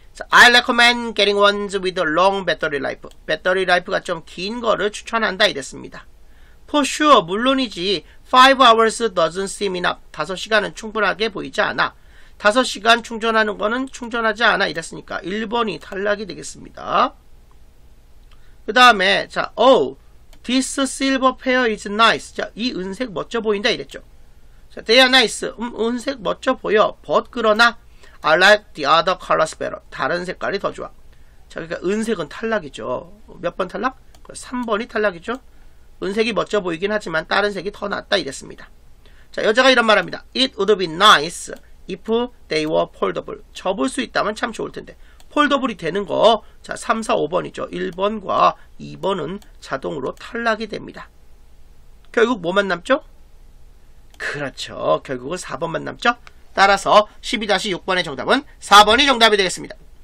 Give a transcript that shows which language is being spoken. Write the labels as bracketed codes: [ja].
[en] I recommend getting ones with a long battery life. [ko] 배터리 라이프가 좀 긴 거를 추천한다 이랬습니다. [en] For sure, [ko] 물론이지. [en] 5 hours doesn't seem enough. [ko] 5시간은 충분하게 보이지 않아. 5시간 충전하는 거는 충전하지 않아 이랬으니까 1번이 탈락이 되겠습니다. 그 다음에 [en] 자, Oh, this silver pair is nice. [ko] 자, 이 은색 멋져 보인다 이랬죠. [en] 자, they are nice. [ko] 은색 멋져 보여. [en] But [ko] 그러나 [en] I like the other colors better. [ko] 다른 색깔이 더 좋아. 자, 그러니까 은색은 탈락이죠. 몇 번 탈락? 3번이 탈락이죠. 은색이 멋져 보이긴 하지만 다른 색이 더 낫다 이랬습니다. 자, 여자가 이런 말합니다. [en] It would be nice if they were foldable. [ko] 접을 수 있다면 참 좋을 텐데. 폴더블이 되는 거. 자, 3, 4, 5번이죠. 1번과 2번은 자동으로 탈락이 됩니다. 결국 뭐만 남죠? 그렇죠. 결국은 4번만 남죠? 따라서 12-6번의 정답은 4번이 정답이 되겠습니다.